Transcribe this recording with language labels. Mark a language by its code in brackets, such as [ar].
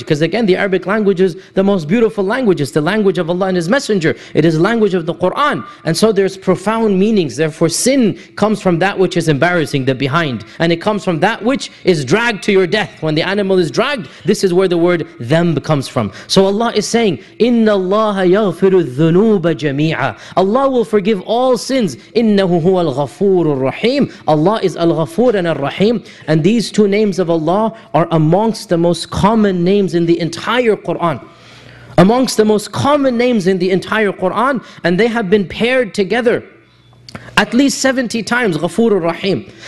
[en] Because again, the Arabic language is the most beautiful language. It's the language of Allah and His Messenger. It is the language of the Qur'an. And so there's profound meanings. Therefore, sin comes from that which is embarrassing, the behind. And it comes from that which is dragged to your death. When the animal is dragged, this is where the word dhanb comes from. So Allah is saying, [ar] إِنَّ اللَّهَ يَغْفِرُ الذُّنُوبَ جَمِيعًا. [en] Allah will forgive all sins. [ar] إِنَّهُ هُوَ الْغَفُورُ الرَّحِيمُ. [en] Allah is Al-Ghafoor and Al-Rahim. And these two names of Allah are amongst the most common names in the entire Quran. Amongst the most common names in the entire Quran, and they have been paired together at least 70 times, Ghafoor al-Rahim.